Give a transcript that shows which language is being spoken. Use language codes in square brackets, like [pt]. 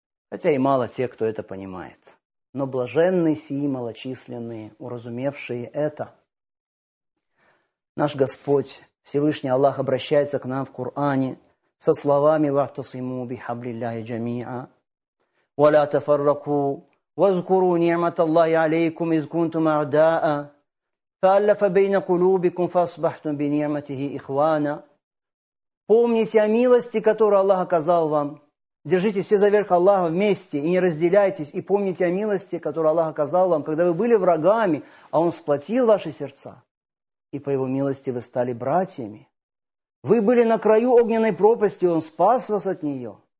[ru] Хотя и мало тех, кто это понимает. Но блаженны сии малочисленные, уразумевшие это. Наш Господь, Всевышний Аллах, обращается к нам в Коране со словами [ar] «Вахтасиму бихаблилляхи джамиа, ва ля тафарраку». واذكروا نعمة الله عليكم إذ كنتم أعداء فألف بين قلوبكم فأصبحتم بنعمته إخوانا. [ru] Помните о милости, которую Аллах оказал вам. Держите все за верх Аллаха вместе и не разделяйтесь. И помните о милости, которую Аллах оказал вам, когда вы были врагами, а Он сплотил ваши сердца. И по Его милости вы стали братьями. Вы были на краю огненной пропасти, и Он спас вас от нее.